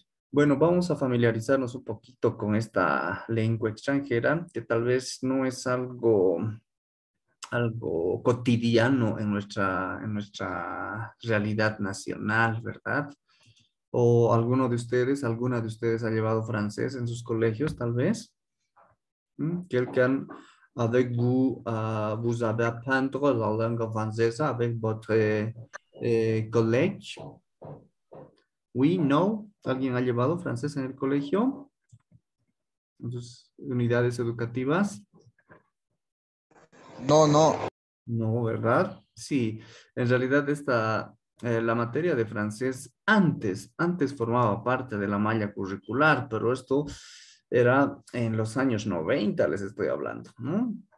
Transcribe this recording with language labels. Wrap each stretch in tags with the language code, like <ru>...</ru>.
<es>Bueno, vamos a familiarizarnos un poquito con esta lengua extranjera, que tal vez no es algo cotidiano en nuestra realidad nacional, ¿verdad? ¿O alguno de ustedes, alguna de ustedes ha llevado francés en sus colegios, tal vez?</es> <fr>Quelqu'un avec vous, vous avez appris la langue française avec votre collège? Oui, no.</fr> <es>¿Alguien ha llevado francés en el colegio? ¿En sus unidades educativas? No, no. No, ¿verdad? Sí, en realidad la materia de francés antes formaba parte de la malla curricular, pero esto era en los años 90, les estoy hablando, ¿no?</es>